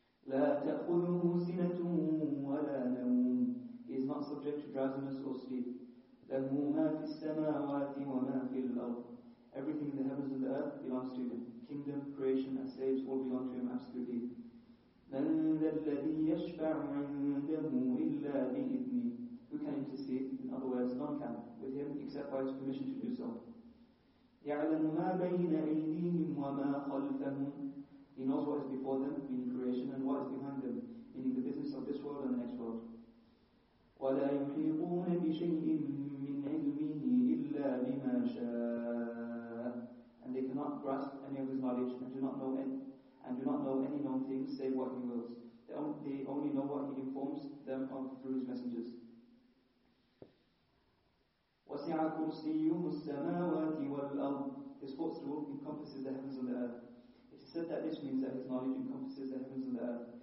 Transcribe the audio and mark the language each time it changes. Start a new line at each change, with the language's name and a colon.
Arabic: لَا تَأْخُذُهُ سِنَةٌ وَلَا نَوْمٌ.
English: He is not subject to drowsiness or sleep.
Arabic: لَهُ مَا فِي السَّمَاوَاتِ وَمَا فِي الْأَرْضِ.
English: Everything in the heavens and the earth belongs to Him. Kingdom, creation, and slaves all belong to Him absolutely.
Arabic: من ذا الذي يشفع عنده إلا بإذنه.
English: Who can intercede? In other words, none can with him except by his permission to do so.
Arabic: يعلم ما بين أيديهم وما خلفهم.
English: He knows what is before them, meaning creation, and what is behind them, meaning the business of this world and the next world.
Arabic: ولا يحيطون بشيء من علمه إلا بما شاء.
English: And they cannot grasp any of his knowledge and do not know any known things save what he wills. They only know what he informs them of through his messengers.
Arabic: وَسِعَ كُرْسِيُّهُ السَّمَاوَاتِ وَالْأَرْضِ.
English: His footstool encompasses the heavens and the earth. It is said that this means that his knowledge encompasses the heavens and the earth.